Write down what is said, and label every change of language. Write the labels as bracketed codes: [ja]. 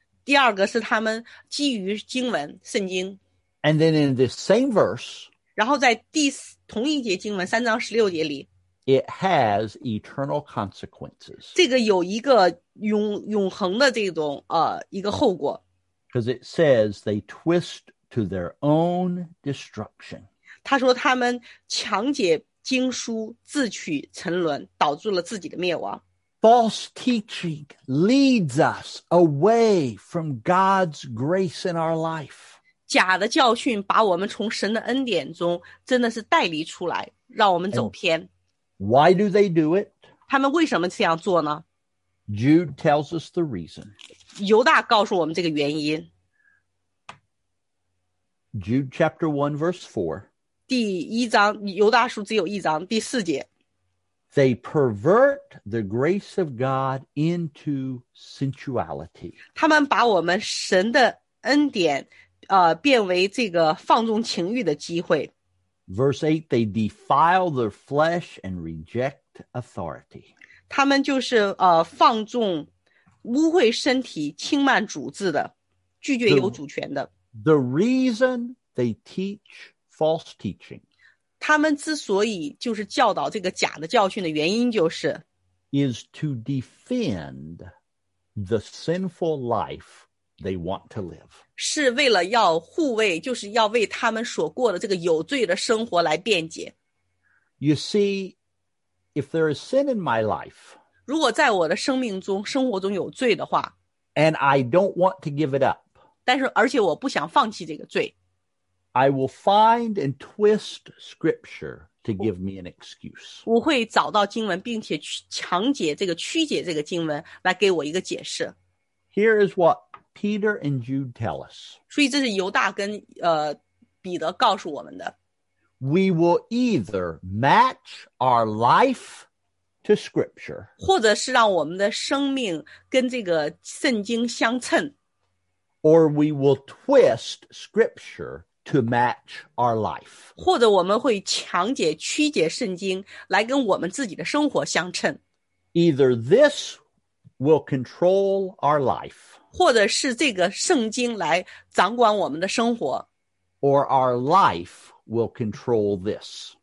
[zh] 第二个是他们基于经文，圣经。 [en] And then in this same verse. [zh] 然后在第同一节经文，三章十六节里。 [en] It has eternal consequences. [zh] 这个有一个永恒的这种一个后果。 [en] Because it says they twist to their own destruction. [zh] 他说他们强解经书，自取沉沦，导致了自己的灭亡。 [en] False teaching leads us away from God's grace in our life. [zh] 假的教训把我们从神的恩典中真的是带离出来，让我们走偏。 [en] Why do they do it? [zh] 他们为什么这样做呢? [en] Jude tells us the reason. [zh] 犹大告诉我们这个原因。 [en] Jude chapter 1 verse 4. [zh] 第一章，犹大书只有一章，第四节。 [en] They pervert the grace of God into sensuality. [zh] 他们把我们神的恩典变为这个放纵情欲的机会。 [en] Verse 8, they defile their flesh and reject authority. [zh] 他们就是放纵污秽身体轻慢主治的拒绝有主权的。 [en] The reason they teach false teaching. [zh] 他们之所以就是教导这个假的教训的原因就是 [en] is to defend the sinful life they want to live. [zh] 是为了要护卫，就是要为他们所过的这个有罪的生活来辩解。 [en] You see, if there is sin in my life, [zh] 如果在我的生命中，生活中有罪的话， [en] and I don't want to give it up, [zh] 但是而且我不想放弃这个罪， [en] I will find and twist scripture to give me an excuse. [zh] 我会找到经文，并且强解这个，曲解这个经文，来给我一个解释。 [en] Here is what Peter and Jude tell us. [zh] 所以这是犹大跟彼得告诉我们的。 [en] We will either match our life to scripture. [zh] 或者是让我们的生命跟这个圣经相称。 [en] Or we will twist scripture to match our life. [zh] 或者我们会强解曲解圣经来跟我们自己的生活相称。 [en] either this will control our life, [zh] 或者是这个圣经来掌管我们的生活， [en] or our life will control this,